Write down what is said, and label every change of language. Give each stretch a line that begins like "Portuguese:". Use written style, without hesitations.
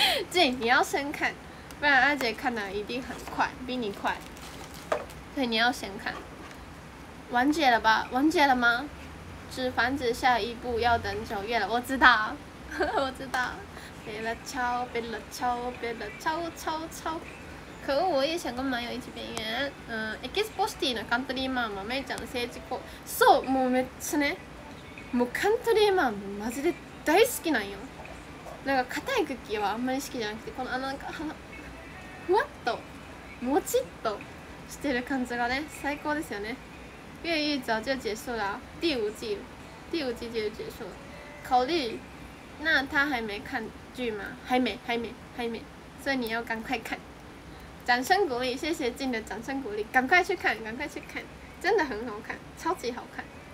Chinese: 静，你要先看，不然阿姐看的一定很快，比你快。所以你要先看。完结了吧？完结了吗？纸房子下一步要等九月了，我知道，我知道。别了敲，别了敲，别了敲敲敲。可恶，我也想跟麻友一起边缘。
Japanese: 嗯 ，Expo City 的 Country Mom， 妹ちゃんの政治コ。そう、もうめっちゃね。もう Country Mom マジで大好きなんよ。なんか硬いクッキーはあんまり好きじゃなくて、このあのなんかふわっともちっとしてる感じがね、最高ですよね。
Chinese: 越狱早就结束了，第五季，第五季就结束了。考虑，那他还没看剧吗？还没，所以你要赶快看。掌声鼓励，谢谢静的掌声鼓励，赶快去看，赶快去看，真的很好看，超级好看。